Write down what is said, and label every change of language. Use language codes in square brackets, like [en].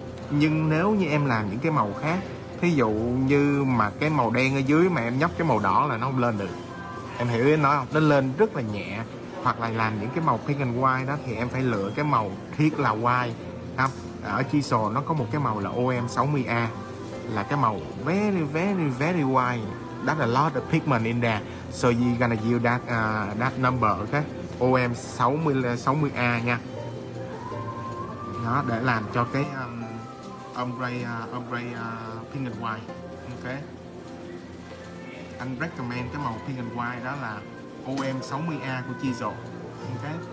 [vi] Nhưng nếu như em làm những cái màu khác, thí dụ như mà cái màu đen ở dưới mà em nhấp cái màu đỏ là nó không lên được. Em hiểu ý anh nói không? Nó lên rất là nhẹ. Hoặc là làm những cái màu pink and white đó thì em phải lựa cái màu thiết là white. Ở Chiso nó có một cái màu là OM60A, là cái màu [en] very very very white. That's a lot of pigment in there, so you gonna use that, that number, okay? [vi] OM60A nha. Đó, để làm cho cái ombre pink and white. Ok. Anh recommend cái màu pink and white đó là OM60A của Chiso. Ok.